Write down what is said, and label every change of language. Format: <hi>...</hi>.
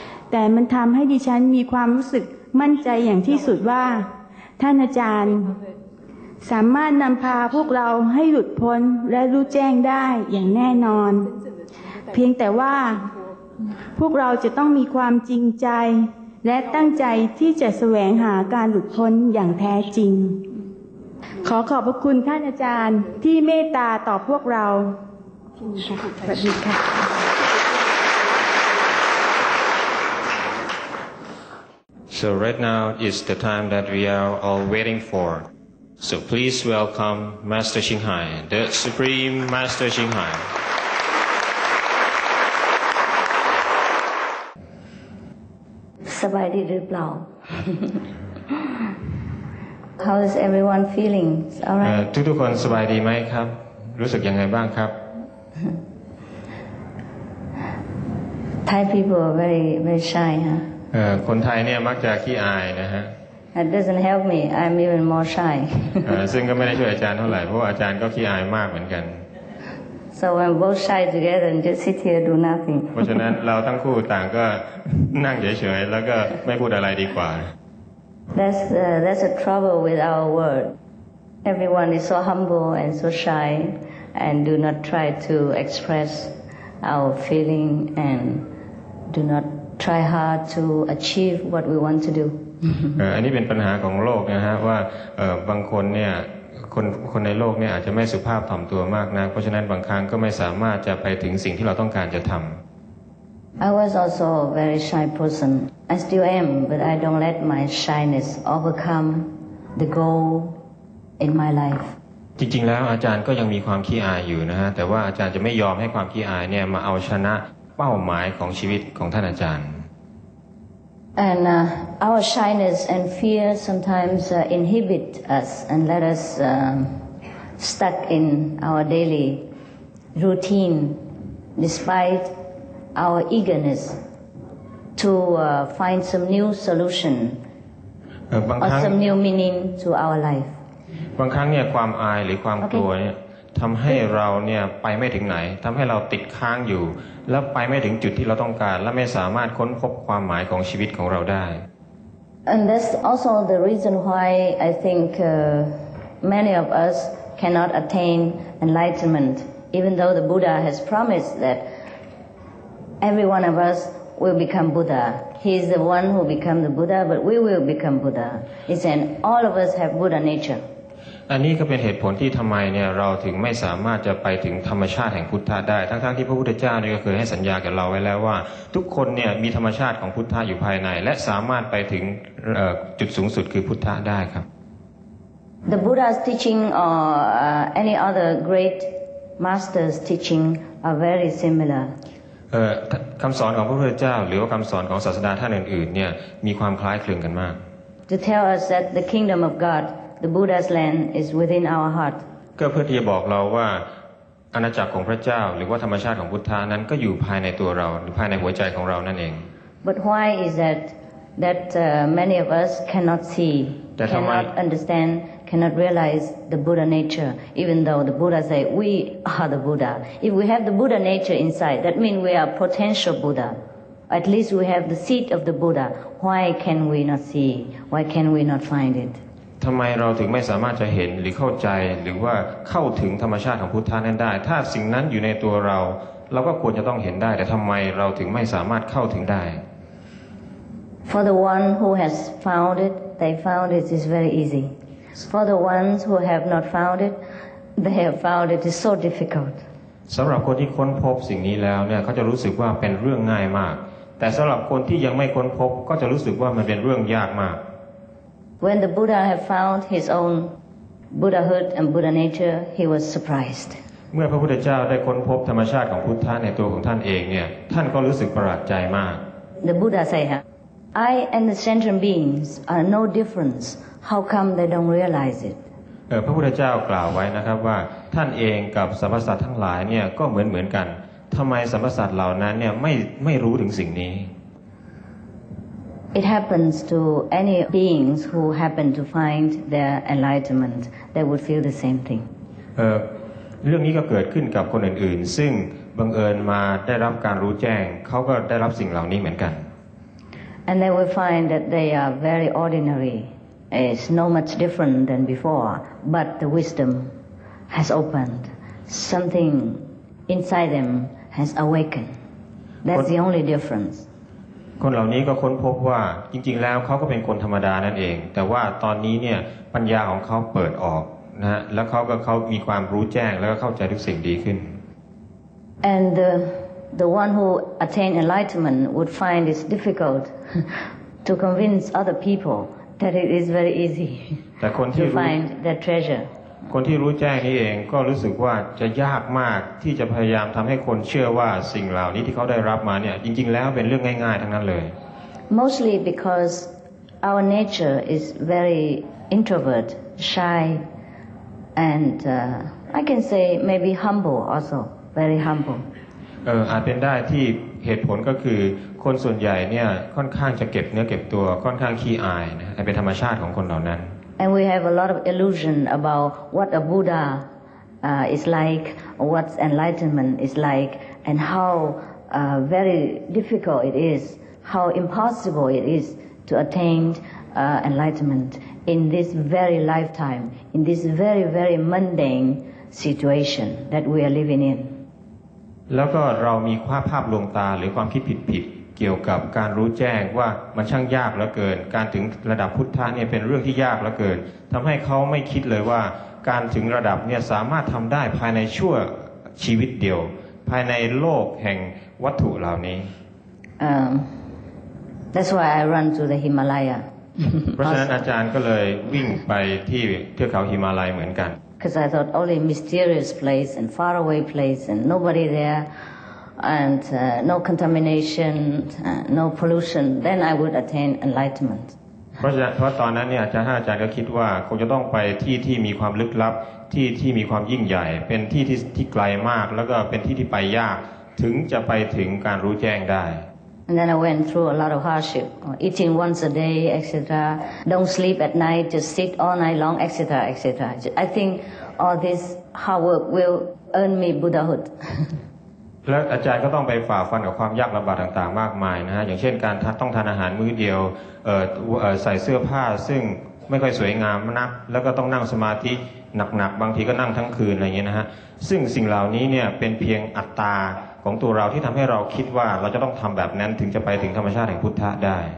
<th>แต่มันทำให้ดิฉันมีความรู้สึกมั่นใจอย่างที่สุดว่าท่านอาจารย์สามารถนำพาพวกเราให้หลุดพ้นและรู้แจ้งได้อย่างแน่นอนเพียงแต่ว่าพวกเราจะต้องมีความจริงใจและตั้งใจที่จะแสวงหาการหลุดพ้นอย่างแท้จริงขอขอบพระคุณท่านอาจารย์ที่เมตตาต่อพวกเราสวัสดีค่ะ</th> <en>So right now is the time that we are all waiting for. So please welcome Master Xinghai, the Supreme Master Xinghai.</en> <th>สบายดีหรือเปล่า</th> <en>How is everyone feeling? All right.</en> <th>ทุกคนสบายดีไหมครับรู้สึกยังไงบ้างครับ</th> <en>Thai people are very very shy, huh?</en> <th>คนไทยเนี่ยมักจะขี้อายนะฮะ</th> <en>That doesn't help me. I'm even more shy.</en> <th>ซึ่งก็ไม่ได้ช่วยอาจารย์เท่าไหร่เพราะอาจารย์ก็ขี้อายมากเหมือนกัน</th> <en>So we're both shy together and just sit here do nothing.</en> <th>เพราะฉะนั้นเราทั้งคู่ต่างก็นั่งเฉยๆแล้วก็ไม่พูดอะไรดีกว่า</th> <en>That's a trouble with our world. Everyone is so humble and so shy and do not try to express our feeling and do notTry hard to achieve what we want to do.</en> <th>อันนี้เป็นปัญหาของโลกนะฮะว่าบางคนเนี่ยคนในโลกเนี่ยอาจจะไม่สุภาพถ่อมตัวมากนะเพราะฉะนั้นบางครั้งก็ไม่สามารถจะไปถึงสิ่งที่เราต้องการจะทำ</th> <en>I was also a very shy person. I still am, but I don't let my shyness overcome the goal in my life.</en> <th>จริงๆแล้วอาจารย์ก็ยังมีความขี้อายอยู่นะฮะแต่ว่าอาจารย์จะไม่ยอมให้ความขี้อายเนี่ยมาเอาชนะเป้าหมายของชีวิตของท่านอาจารย์</th> <en>And our shyness and fear sometimes inhibit us and let us stuck in our daily routine despite our eagerness to find some new solution or some new meaning to our life</en> <th>บางครั้งเนี่ยความอายหรือความกลัวเนี่ยทำให้เราเนี่ยไปไม่ถึงไหนทำให้เราติดค้างอยู่แล้วไปไม่ถึงจุดที่เราต้องการและไม่สามารถค้นพบความหมายของชีวิตของเราได้</th> <en>And that's also the reason why I think many of us cannot attain enlightenment even though the Buddha has promised that every one of us will become Buddha he is the one who become the Buddha but we will become Buddha he said all of us have Buddha nature</en> <th>อันนี้ก็เป็นเหตุผลที่ทำไมเนี่ยเราถึงไม่สามารถจะไปถึงธรรมชาติแห่งพุทธะได้ทั้งๆที่พระพุทธเจ้าเนี่ยก็เคยให้สัญญากับเราไว้แล้วว่าทุกคนเนี่ยมีธรรมชาติของพุทธะอยู่ภายในและสามารถไปถึงจุดสูงสุดคือพุทธะได้ครับ</th> <en>The Buddha's teaching or any other great master's teaching are very similar</en> <th>คำสอนของพระพุทธเจ้าหรือว่าคำสอนของศาสดาท่านอื่นๆเนี่ยมีความคล้ายคลึงกันมาก</th> <en>To tell us that the kingdom of GodThe Buddha's land is within our heart.</en> <th>ก็เพื่อที่จะบอกเราว่าอาณาจักรของพระเจ้าหรือว่าธรรมชาติของพุทธานั้นก็อยู่ภายในตัวเราหรือภายในหัวใจของเรานั่นเอง</th> <en>But why is that many of us cannot see, cannot understand, cannot realize the Buddha nature? Even though the Buddha say we are the Buddha, if we have the Buddha nature inside, that means we are potential Buddha. At least we have the seat of the Buddha. Why can we not see? Why can we not find it?</en> <th>ทำไมเราถึงไม่สามารถจะเห็นหรือเข้าใจหรือว่าเข้าถึงธรรมชาติของพุทธะนั้นได้ถ้าสิ่งนั้นอยู่ในตัวเราเราก็ควรจะต้องเห็นได้แต่ทำไมเราถึงไม่สามารถเข้าถึงได้</th> <en>For the one who has found it they found it is very easy For the ones who have not found it they have found it is so difficult</en> <th>สำหรับคนที่ค้นพบสิ่งนี้แล้วเนี่ยเขาจะรู้สึกว่าเป็นเรื่องง่ายมากแต่สำหรับคนที่ยังไม่ค้นพบก็จะรู้สึกว่ามันเป็นเรื่องยากมาก</th> <en>When the Buddha had found his own Buddhahood and Buddha nature, he was surprised.</en> <th>เมื่อพระพุทธเจ้าได้ค้นพบธรรมชาติของพุทธะในตัวของท่านเองเนี่ยท่านก็รู้สึกประหลาดใจมาก</th> <en>The Buddha said, "I and the sentient beings are no difference. How come they don't realize it?"</en> <th>พระพุทธเจ้ากล่าวไว้นะครับว่าท่านเองกับสรรพสัตว์ทั้งหลายเนี่ยก็เหมือนกันทำไมสรรพสัตว์เหล่านั้นเนี่ยไม่รู้ถึงสิ่งนี้</th> <en>It happens to any beings who happen to find their enlightenment. They would feel the same thing.</en> <th>เรื่องนี้ก็เกิดขึ้นกับคนอื่นๆซึ่งบังเอิญมาได้รับการรู้แจ้งเขาก็ได้รับสิ่งเหล่านี้เหมือนกัน</th> <en>And they will find that they are very ordinary. It's no much different than before. But the wisdom has opened. Something inside them has awakened. That's the only difference.</en> <th>คนเหล่านี้ก็ค้นพบว่าจริงๆแล้วเขาก็เป็นคนธรรมดานั่นเองแต่ว่าตอนนี้เนี่ยปัญญาของเขาเปิดออกนะฮะแล้วเขามีความรู้แจ้งแล้วก็เข้าใจทุกสิ่งดีขึ้น</th> <en>And the one who attained enlightenment would find it difficult to convince other people that it is very easy to find that treasure</en> <th>คนที่รู้แจ้งนี้เองก็รู้สึกว่าจะยากมากที่จะพยายามทำให้คนเชื่อว่าสิ่งเหล่านี้ที่เขาได้รับมาเนี่ยจริงๆแล้วเป็นเรื่องง่ายๆทั้งนั้นเลย</th> <en>Mostly because our nature is very introvert, shy, and I can say maybe humble also, very humble.</en> <th>อาจเป็นได้ที่เหตุผลก็คือคนส่วนใหญ่เนี่ยค่อนข้างจะเก็บเนื้อเก็บตัวค่อนข้างขี้อายนะเป็นธรรมชาติของคนเหล่านั้น</th> <en>And we have a lot of illusion about what a Buddha is like, or what enlightenment is like, and how very difficult it is, how impossible it is to attain enlightenment in this very lifetime, in this very, very mundane situation that we are living in.</en> <th>แล้วก็เรามีภาพลวงตาหรือความคิดผิดเกี่ยวกับการรู้แจ้งว่ามันช่างยากเหลือเกินการถึงระดับพุทธะเนี่ยเป็นเรื่องที่ยากเหลือเกินทำให้เขาไม่คิดเลยว่าการถึงระดับเนี่ยสามารถทำได้ภายในชั่วชีวิตเดียวภายในโลกแห่งวัตถุเหล่านี้</th> <en>That's why I run to the Himalaya</en> <th>เพราะฉะนั้นอาจารย์ก็เลยวิ่งไปที่เทือกเขาหิมาลัยเหมือนกัน</th> <en>Because I thought only mysterious place and far away place and nobody thereAnd no contamination, no pollution. Then I would attain enlightenment.</en> <th>เพราะตอนนั้นเนี่ยอาจารย์ก็คิดว่าคงจะต้องไปที่มีความลึกลับที่มีความยิ่งใหญ่เป็นที่ไกลมากแล้วก็เป็นที่ที่ไปยากถึงจะไปถึงการรู้แจ้งได้</th> <en>And then I went through a lot of hardship, eating once a day, etc. Don't sleep at night, just sit all night long, etc., etc. I think all this hard work will earn me Buddhahood.</en> <th>แล้วอาจารย์ก็ต้องไปฝ่าฟันกับความยากลำบากต่างๆมากมายนะฮะอย่างเช่นการต้องทานอาหารมื้อเดียวใส่เสื้อผ้าซึ่งไม่ค่อยสวยงามนักแล้วก็ต้องนั่งสมาธิหนักๆบางทีก็นั่งทั้งคืนอะไรเงี้ยนะฮะซึ่งสิ่งเหล่านี้เนี่ยเป็นเพียงอัตตาของตัวเราที่ทำให้เราคิดว่าเราจะต้องทำแบบนั้นถึงจะไปถึงธรรมชาติแห่งพุทธะได</th>